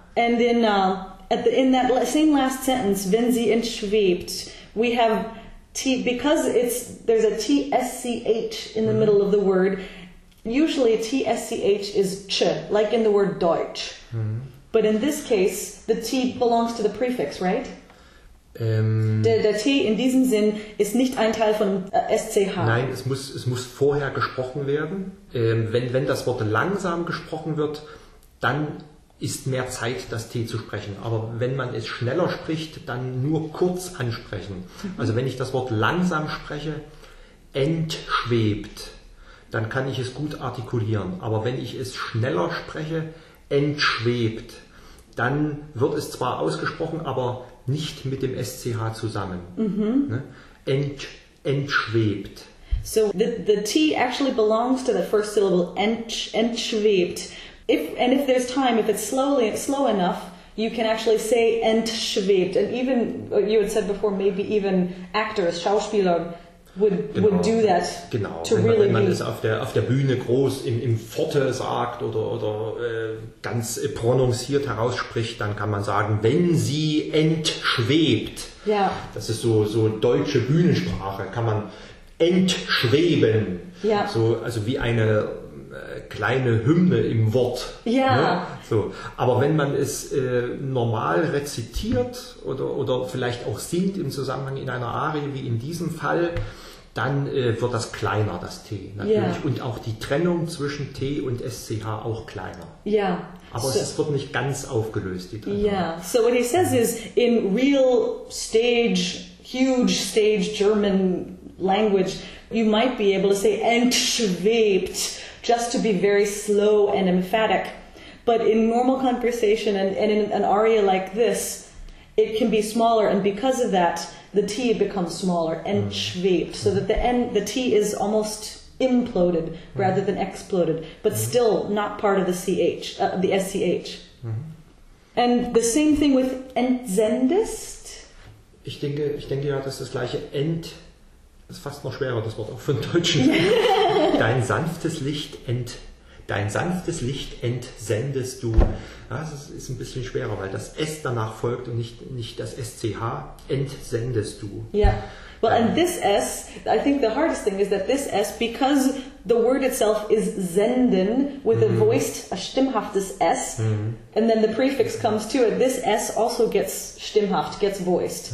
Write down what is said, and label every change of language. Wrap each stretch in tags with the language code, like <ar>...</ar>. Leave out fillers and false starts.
<en>And in that same last sentence,</en> <de>wenn sie entschwebt,</de> <en>we have T, because there's a TSCH in the middle of the word. Usually a TSCH is CH, like in the word Deutsch. But in this case, the T belongs to the prefix, right?</en> <de>Der T in diesem Sinn ist nicht ein Teil von SCH. Nein, es muss vorher gesprochen werden. Wenn das Wort langsam gesprochen wird, dann ist mehr Zeit, das T zu sprechen. Aber wenn man es schneller spricht, dann nur kurz ansprechen. Also wenn ich das Wort langsam spreche, entschwebt, dann kann ich es gut artikulieren. Aber wenn ich es schneller spreche, entschwebt, dann wird es zwar ausgesprochen, aber nicht mit dem SCH zusammen. Entschwebt.</de> <en>So the T actually belongs to the first syllable, entschwebt. If there's time, if it's slow enough, you can actually say entschwebt. And even, you had said before, maybe even actors, Schauspieler would do that.</en> <de>Genau,</de> <en>to</en> <de>wenn</de> <en>really</en> <de>man es auf der Bühne groß im Forte sagt oder ganz prononciert herausspricht, dann kann man sagen, wenn sie entschwebt. Ja. Das ist so deutsche Bühnensprache, kann man entschweben. Ja. So, also wie eine kleine Hymne im Wort. Ja. Ne? So. Aber wenn man es normal rezitiert oder vielleicht auch singt im Zusammenhang in einer Arie, wie in diesem Fall, dann wird das kleiner, das T. Natürlich. Ja. Und auch die Trennung zwischen T und SCH auch kleiner. Ja. Aber es wird nicht ganz aufgelöst, die Trennung. Ja.</de> <en>So what he says is, in real stage, huge stage German language, you might be able to say entschwebt, just to be very slow and emphatic. But in normal conversation and in an aria like this, it can be smaller, and because of that, the T becomes smaller, entschwebt, so that the T is almost imploded mm-hmm. rather than exploded, but mm-hmm. still not part of the ch, the sch. Mm-hmm. And the same thing with entsendest.</en> <de>Ich denke ja, dass das gleiche ent ist fast noch schwerer, das Wort auch für den Deutschen. Dein sanftes Licht entsendest du. Ja, das ist ein bisschen schwerer, weil das S danach folgt und nicht das SCH. Entsendest du.</de> <en>Yeah. Well, and this S, I think the hardest thing is that this S, because the word itself is senden with mm-hmm. a voiced, a stimmhaftes S, mm-hmm. and then the prefix comes to it, this S also gets stimmhaft, gets voiced.</en>